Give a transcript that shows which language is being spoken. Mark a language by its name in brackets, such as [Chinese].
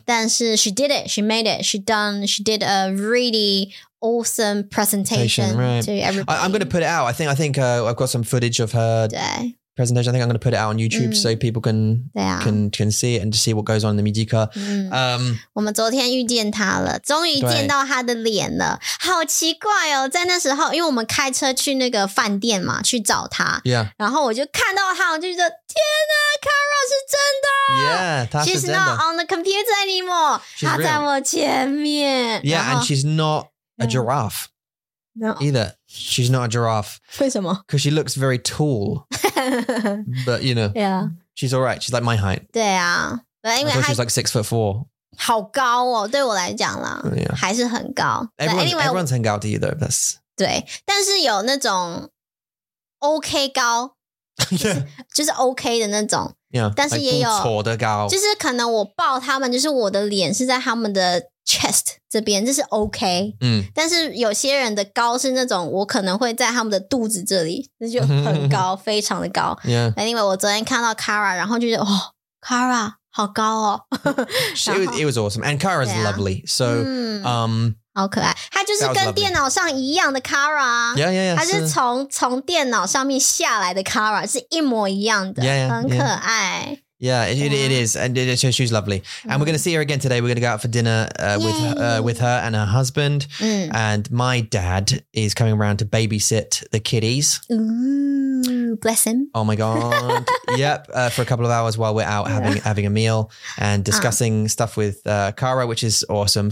[Chinese] 但是 [English] she did it, she made it, she did a really awesome presentation to everybody. I'm going to put it out. I think I've got some footage of her presentation. I think I'm going to put it out on YouTube so people can see it and see what goes on in the Midika. [Chinese] 我们昨天遇见她了, 终于见到她的脸了, 好奇怪哦, 在那时候, 因为我们开车去那个饭店嘛, 去找她, [English] yeah. [Chinese] 然后我就看到她, 我就觉得, 天哪, Kara 是真的, [English] yeah, she's not on the computer anymore, she's [Chinese] 她在我前面, [English] yeah, [Chinese] 然后, [English] and she's not a giraffe. No. Either. She's not a giraffe. [Chinese] 为什么? [English] Because she looks very tall. But, you know. Yeah. She's all right. She's like my height. [Chinese] 对啊. [English] But anyway, she's like 6'4". [Chinese] 好高哦, 对我来讲啦, [English] yeah. [Chinese] 还是很高. [English] Everyone's [Chinese] 很高 [English] to you though. That's... [Chinese] 对, 但是有那种 OK高, 就是 OK的那种, [English] yeah, [Chinese] 但是也有, [English] like [Chinese] 不错的高, 就是可能我抱他们, 就是我的脸是在他们的 chest 这边, 这是 OK, 但是有些人的高是那种, 我可能会在他们的肚子这里, 这就很高, 非常的高, [English] yeah. Anyway, [Chinese] 我昨天看到 Kara, 然后就觉得, 哦, Kara, 好高哦, 然后, [English] it was awesome, and Kara's lovely, so, [Chinese] 好可爱, 她就是跟电脑上一样的 Kara, [English] yeah, yeah, yeah, [Chinese] 她是从电脑上面下来的 Kara, 是一模一样的, [English] yeah, yeah, [Chinese] 很可爱, [English] yeah. Yeah, it is. And it, she's lovely. And we're going to see her again today. We're going to go out for dinner with her and her husband. And my dad is coming around to babysit the kiddies. Ooh, bless him. Oh my God. Yep. For a couple of hours while we're out having a meal and discussing stuff with Kara, which is awesome.